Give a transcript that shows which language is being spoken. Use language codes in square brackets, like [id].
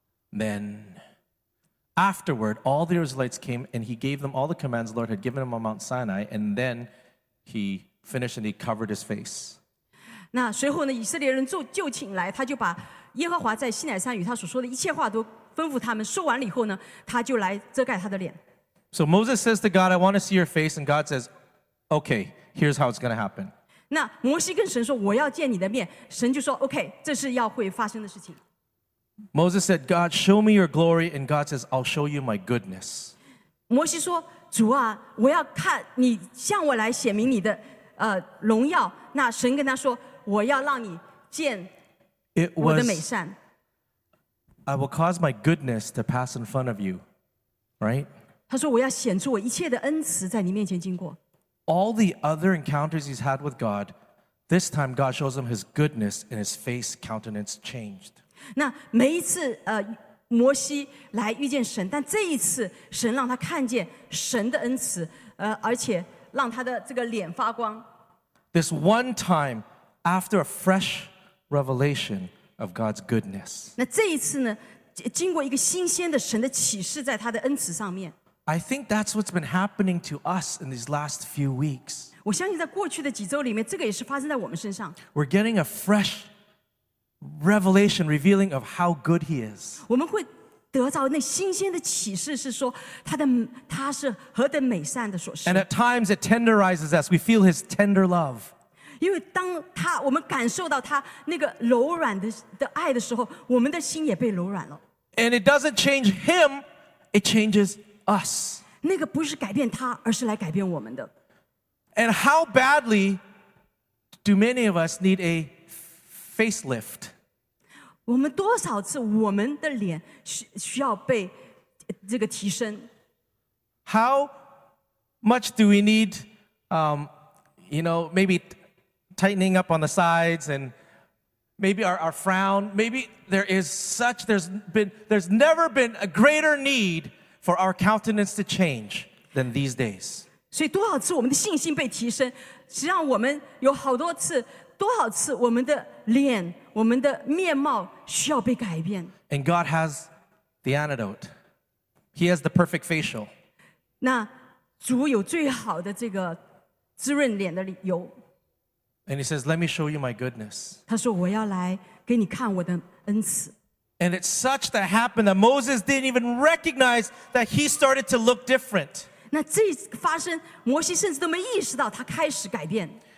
[en] Then, afterward, all the Israelites came, and he gave them all the commands the Lord had given him on Mount Sinai, and then he finished and he covered his face. [zh] 那随后呢，以色列人就请来，他就把耶和华在西乃山与他所说的一切话都吩咐他们。说完了以后呢，他就来遮盖他的脸。 [en] So Moses says to God, "I want to see your face." And God says, "Okay, here's how it's going to happen." [zh] 那摩西跟神说，我要见你的面。神就说 ，OK， 这是要会发生的事情。 [en] Moses said, "God, show me your glory." And God says, "I'll show you my goodness." [zh] 摩西说，主啊，我要看你向我来显明你的荣耀。那神跟他说，我要让你见我的美善。 [en] I will cause my goodness to pass in front of you, right? [zh] 他说，我要显出我一切的恩慈在你面前经过。 [en] All the other encounters he's had with God, this time God shows him his goodness and his face countenance changed. [zh] 那每一次摩西来遇见神，但这一次神让他看见神的恩慈，而且让他的这个脸发光。 [en] This one time, after a fresh revelation of God's goodness. [zh] 那这一次呢，经过一个新鲜的神的启示在他的恩慈上面。 [en] I think that's what's been happening to us in these last few weeks. [zh] 我相信在过去的几周里面，这个也是发生在我们身上。 [en] We're getting a fresh revelation, revealing of how good He is. [zh] 我们会得到那新鲜的启示，是说他是何等美善的所示。 [en] And at times it tenderizes us. We feel His tender love. [zh] 因为当他我们感受到他那个柔软的爱的时候，我们的心也被柔软了。 [en] And it doesn't change Him. It changes Us. [zh] 那个不是改变他，而是来改变我们的。 [en] And how badly do many of us need a facelift? [zh] 我们多少次我们的脸需要被这个提升？ [en] How much do we need, maybe tightening up on the sides and maybe our frown? Maybe there's never been a greater need. For our countenance to change than these days. [zh] 所以多少次我们的信心被提升，实际上我们有好多次，多少次我们的脸，我们的面貌需要被改变。 [en] And God has the antidote. He has the perfect facial. [zh] 那主有最好的这个滋润脸的油。 [en] And He says, "Let me show you my goodness." [zh] 他说我要来给你看我的恩慈。 [en] And it's such that happened that Moses didn't even recognize that he started to look different. [zh] 那这发生，摩西甚至都没意识到他开始改变。